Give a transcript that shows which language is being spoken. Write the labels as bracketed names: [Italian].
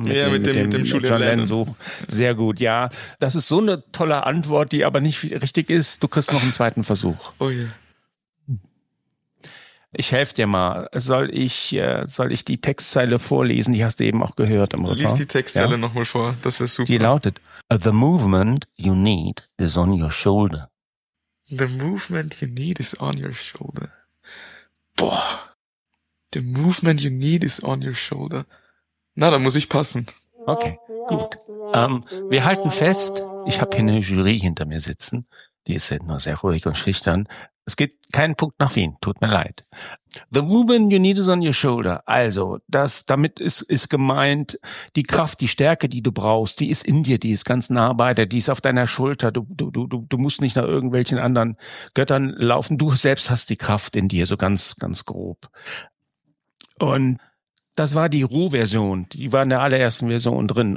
[German] Mit dem Julian Lennon. Sehr gut, ja. Das ist so eine tolle Antwort, die aber nicht richtig ist. Du kriegst noch einen zweiten Versuch. Oh ja. Ich helfe dir mal. Soll ich die Textzeile vorlesen? Die hast du eben auch gehört im Refrain. Lies die Textzeile nochmal vor, das wäre super. Die lautet, [English] the movement you need is on your shoulder. The movement you need is on your shoulder. Boah, the movement you need is on your shoulder. [German] Na, da muss ich passen. Okay, gut. Wir halten fest, ich habe hier eine Jury hinter mir sitzen. Die ist ja nur sehr ruhig und schüchtern. Es geht keinen Punkt nach Wien, tut mir leid. [English] The movement you need is on your shoulder. [German] Also, das, damit ist gemeint, die Kraft, die Stärke, die du brauchst, die ist in dir, die ist ganz nah bei dir, die ist auf deiner Schulter. Du musst nicht nach irgendwelchen anderen Göttern laufen. Du selbst hast die Kraft in dir, so ganz, ganz grob. Und das war die Ruh-Version, die war in der allerersten Version drin.